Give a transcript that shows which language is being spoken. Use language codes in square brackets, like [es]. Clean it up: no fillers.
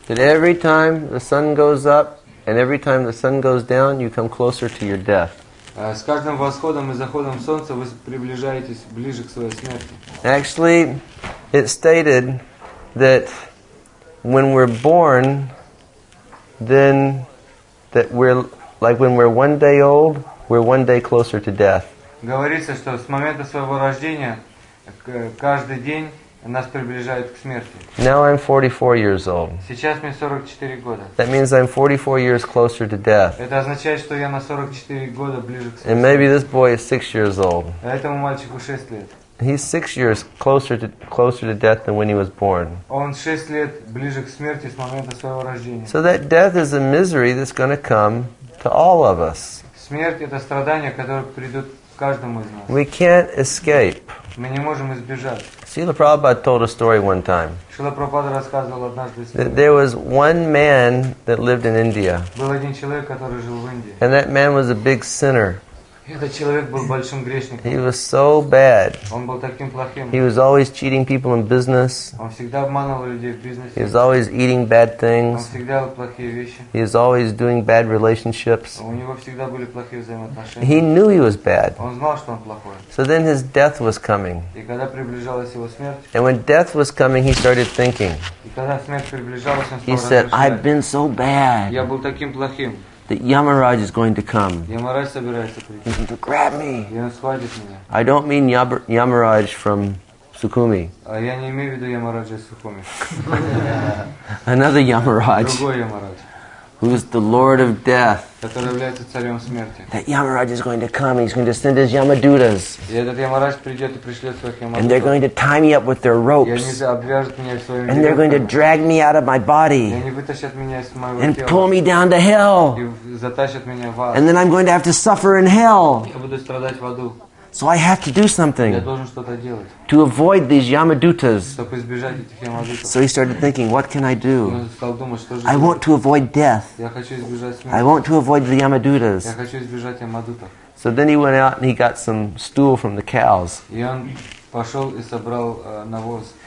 [en] That every time the sun goes up and every time the sun goes down, you come closer to your death. [ru] С каждым восходом и заходом солнца вы приближаетесь ближе к своей смерти. [en] Actually, it stated that when we're born, then that we're like when we're one day old, we're one day closer to death. [ru] Говорится, что с момента своего рождения каждый день нас приближает к смерти. [en] Now I'm 44 years old. [ru] Сейчас мне 44 года. [en] That means I'm 44 years closer to death. [ru] Это означает, что я на 44 года ближе к смерти. [en] And maybe this boy is 6 years old. [ru] А этому мальчику 6 лет. [en] He's 6 years closer to death than when he was born. [ru] Он 6 лет ближе к смерти с момента своего рождения. [en] So that death is a misery that's going to come to all of us. [ru] Смерть — это страдания, которые придут каждому из нас. [en] We can't escape. [ru] Мы не можем избежать. [en] Srila Prabhupada told a story one time. [ru] Srila Prabhupada рассказывал однажды историю. [en] That there was one man that lived in India. [ru] Был один человек, который жил в Индии. [en] And that man was a big sinner. [ru] Этот человек был большим грешником. [en] He was so bad. [ru] Он был таким плохим. [en] He was always cheating people in business. [ru] Он всегда обманывал людей в бизнесе. [en] He was always eating bad things. [ru] Он всегда ел плохие вещи. [en] He was always doing bad relationships. [ru] У него всегда были плохие взаимоотношения. [en] He knew he was bad. [ru] Он знал, что он плохой. [en] So then his death was coming. [ru] И когда приближалась его смерть. [en] And when death was coming, he started thinking. [ru] И когда смерть приближалась, он [en] He said, I've been so bad. [ru] Я был таким плохим. [en] That Yamaraj is going to come. [ru] Yamaraj собирается прийти. [en] He's going to grab me. [ru] И он схватит меня. [en] I don't mean Yamaraj from Sukumi. [ru] А я не имею в виду Yamaraja из Sukumi. [en] Another Yamaraj. [ru] Другой Yamaraj. [en] Who is the Lord of Death? [ru] Который является царем смерти. [en] That Yamaraj is going to come. He's going to send his Yamadutas. [ru] И этот Yamaraj придет и пришлет своих Yamadutas. [en] And they're going to tie me up with their ropes. [ru] И они обвяжут меня своими веревками. [en] And they're going to drag me out of my body. [ru] И они вытащат меня из моего тела. [en] And pull me down to hell. [ru] И затащат меня в ад. [en] And then I'm going to have to suffer in hell. [ru] Я буду страдать в аду. [en] So I have to do something. [ru] Я должен что-то делать. [en] To avoid these Yamadutas. [ru] Чтобы избежать этих Yamadutas. [en] So he started thinking, what can I do? [ru] Он стал думать, что же [en] I want to avoid death. [ru] Я хочу избежать смерти. [en] I want to avoid the Yamadutas. [ru] Я хочу избежать Yamadutas. [en] So then he went out and he got some stool from the cows. [ru] И он пошел и собрал навоз.